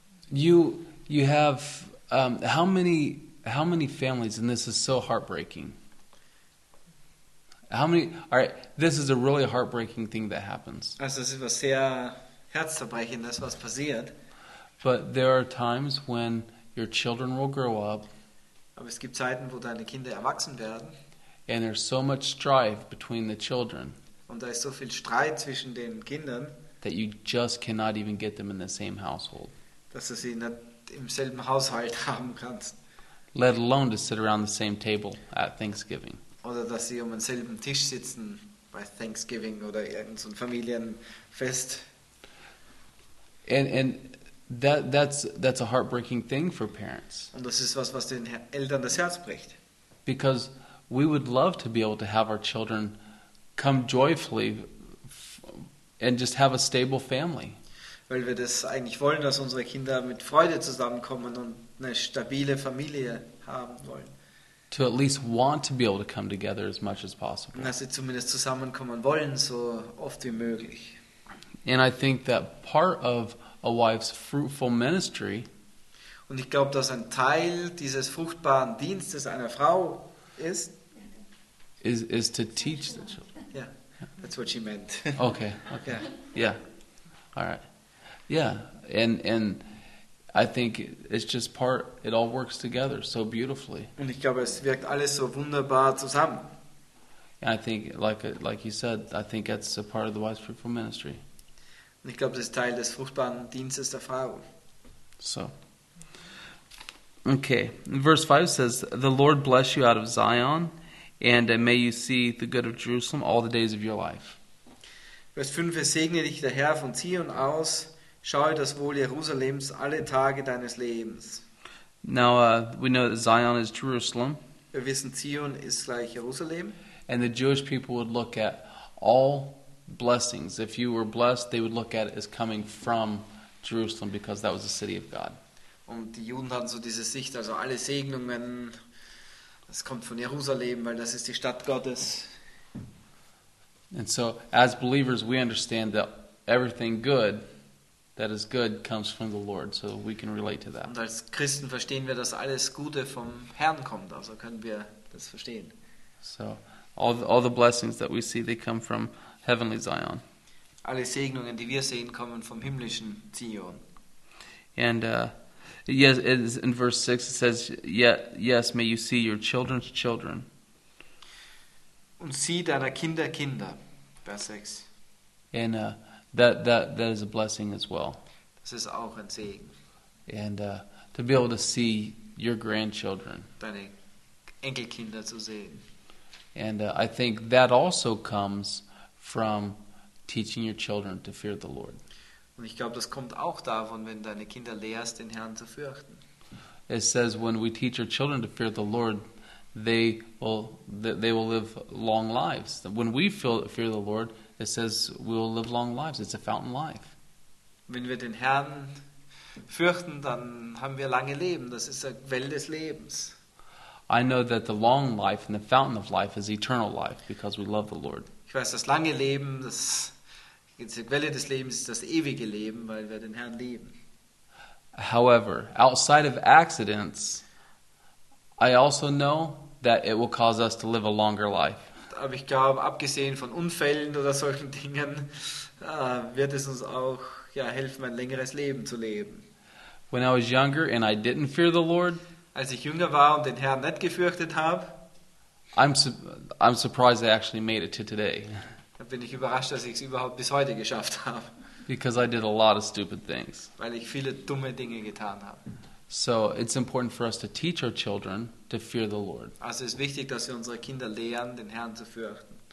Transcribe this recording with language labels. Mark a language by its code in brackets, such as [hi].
[en] You have how many families, and this is so heartbreaking. How many? All right. This is a really heartbreaking thing that happens. [de] Also, es ist was sehr herzzerbrechendes, was passiert. [en] But there are times when your children will grow up. [de] Aber es gibt Zeiten, wo deine Kinder erwachsen werden. [en] And there's so much strife between the children. [de] Und da ist so viel Streit zwischen den Kindern. [en] That you just cannot even get them in the same household. [de] Dass du sie nicht im selben Haushalt haben kannst. [en] Let alone to sit around the same table at Thanksgiving. [de] Oder dass sie um den selben Tisch sitzen bei Thanksgiving oder irgendein Familienfest. [en] And that's a heartbreaking thing for parents. [de] Und das ist was den Eltern das Herz bricht. [en] Because we would love to be able to have our children come joyfully and just have a stable family. [de] Weil wir das eigentlich wollen, dass unsere Kinder mit Freude zusammenkommen und eine stabile Familie haben wollen. [en] To at least want to be able to come together as much as possible. [de] Dass sie zumindest zusammenkommen wollen, so oft wie möglich. [en] And I think that part of a wife's fruitful ministry. [de] Und ich glaube, dass ein Teil dieses fruchtbaren Dienstes einer Frau ist. [en] Is to teach the children. Yeah, that's what she meant. Okay. Okay. Yeah. All right. Yeah, and I think it's just part. It all works together so beautifully. [de] Und ich glaube, es wirkt alles so wunderbar zusammen. [en] And I think, like you said, I think that's a part of the wise fruitful ministry. [de] Und ich glaube, das ist Teil des fruchtbaren Dienstes der Frau. [en] So. Okay. Verse 5 says, "The Lord bless you out of Zion, and may you see the good of Jerusalem all the days of your life." [de] Vers 5, es segne dich der Herr von Zion aus, schaue das Wohl Jerusalems alle Tage deines Lebens. [en] Now, we know that Zion is Jerusalem. [de] Wir wissen, Zion ist gleich Jerusalem. [en] And the Jewish people would look at all blessings. If you were blessed, they would look at it as coming from Jerusalem because that was the city of God. [de] Und die Juden hatten so diese Sicht, also alle Segnungen, das kommt von Jerusalem, weil das ist die Stadt Gottes. [en] And so, as believers, we understand that everything good that is good comes from the Lord, so we can relate to that. [de] Und als Christen verstehen wir, dass alles Gute vom Herrn kommt, also können wir das verstehen. [en] So, all the blessings that we see, they come from Heavenly Zion. [de] Alle Segnungen, die wir sehen, kommen vom himmlischen Zion. [en] And yes, it is in verse 6 it says, yes, may you see your children's children. [de] Und sieh deiner Kinder Kinder, Vers 6. [en] And that is a blessing as well. [de] Das ist auch ein Segen. [en] And to be able to see your grandchildren. [de] Deine Enkelkinder zu sehen. [en] And I think that also comes from teaching your children to fear the Lord. [de] Und ich glaube, das kommt auch davon, wenn deine Kinder lehrst, den Herrn zu fürchten. [en] It says when we teach our children to fear the Lord, they will live long lives. When we fear the Lord, it says we will live long lives. It's a fountain life. [de] Wenn wir den Herrn fürchten, dann haben wir lange Leben. Das ist eine Quelle des Lebens. [en] I know that the long life and the fountain of life is eternal life because we love the Lord. [de] Ich weiß, das lange Leben, das die Quelle des Lebens ist das ewige Leben, weil wir den Herrn lieben. [en] However, outside of accidents, I also know that it will cause us to live a longer life. [de] Aber ich glaube, abgesehen von Unfällen oder solchen Dingen, wird es uns auch helfen, ein längeres Leben zu leben. [en] When I was younger and I didn't fear the Lord, [de] als ich jünger war und den Herrn nicht gefürchtet habe, [en] I'm surprised I actually made it to today. [de] Da bin ich überrascht, dass ich es überhaupt bis heute geschafft habe. [en] Because I did a lot of stupid things. [de] Weil ich viele dumme Dinge getan habe. [en] So it's important for us to teach our children to fear the Lord. [de] Also ist wichtig, dass wir unsere Kinder lehren, den Herrn zu fürchten.